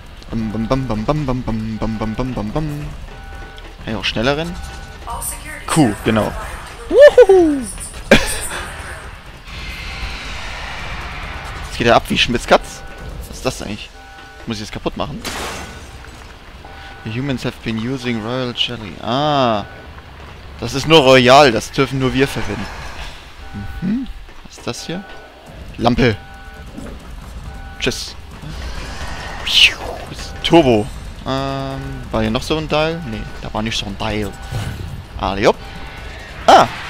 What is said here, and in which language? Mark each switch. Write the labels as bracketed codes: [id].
[de] Bam bam bam bam bam bam bam bam bam bam bam bam. Kann ich auch schneller rennen? Cool, genau. Wuhu! Jetzt geht er ab wie Schmitzkatz. Was ist das eigentlich? Muss ich das kaputt machen? [en] The humans have been using royal jelly. Ah. [de] Das ist nur royal, das dürfen nur wir verwenden. Was ist das hier? Lampe. Tschüss. Turbo. War hier noch so ein Dial? Nee, da war nicht so ein Dial. Alliop. Ah!